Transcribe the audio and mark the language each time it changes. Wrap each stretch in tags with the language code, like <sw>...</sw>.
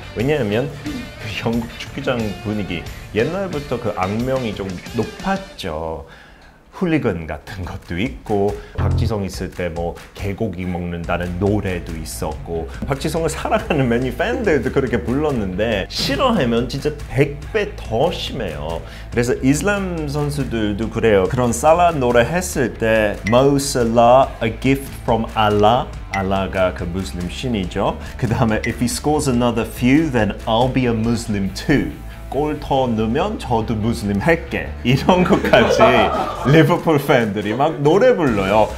<ko>왜냐하면 그 영국 축구장 분위기 옛날부터 그 악명이 좀 높았죠. 훌리건 같은 것도 있고 박지성 있을 때 뭐 개고기 먹는다는 노래도 있었고 박지성을 사랑하는 맨유 팬들도 그렇게 불렀는데 싫어하면 진짜 100배 더 심해요. 그래서 이슬람 선수들도 그래요. 그런 살라 노래 했을 때</ko> <en>Mo Salah, a gift from Allah.</en> <ko>알라가 그 무슬림 신이죠. 그 다음에</ko> <en>If he scores another few then I'll be a Muslim too.</en> <ko>골 더 넣으면 저도 무슬림 할게 이런 것까지 리버풀 팬들이 막 노래 불러요.</ko>